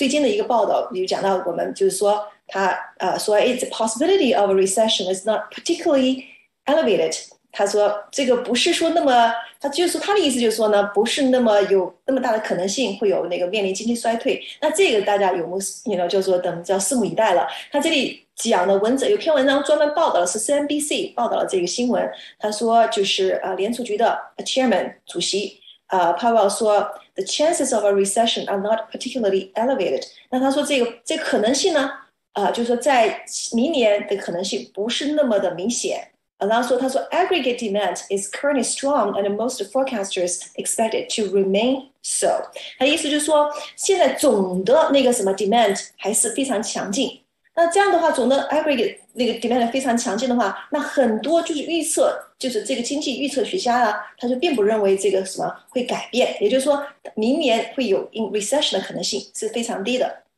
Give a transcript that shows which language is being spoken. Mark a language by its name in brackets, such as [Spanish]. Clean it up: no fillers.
[Chinese] 最近的一个报道有讲到，我们就是说他，他说，" [English] It's possibility of a recession is not particularly elevated。" [Chinese] 他说，这个不是说那么，他就是说他的意思就是说呢，不是那么有那么大的可能性会有那个面临经济衰退。那这个大家有目，你呢，叫做等叫拭目以待了。他这里。讲的文章有篇文章专门报道了，是 CNBC 报道了这个新闻。他说就是联储局的 chairman 主席Powell 说 [English] "The chances of a recession are not particularly elevated." [Chinese] 那他说这个可能性呢就是说在明年的可能性不是那么的明显。然后说他说 [English] "Aggregate demand is currently strong and most forecasters expect it to remain so." [Chinese] 他意思就是说现在总的那个什么 demand 还是非常强劲。那这样的话，总的 aggregate 那个 demand 非常强劲的话，那很多就是预测，就是这个经济预测学家啊，他就并不认为这个什么会改变，也就是说明年会有 in recession 的可能性是非常低的。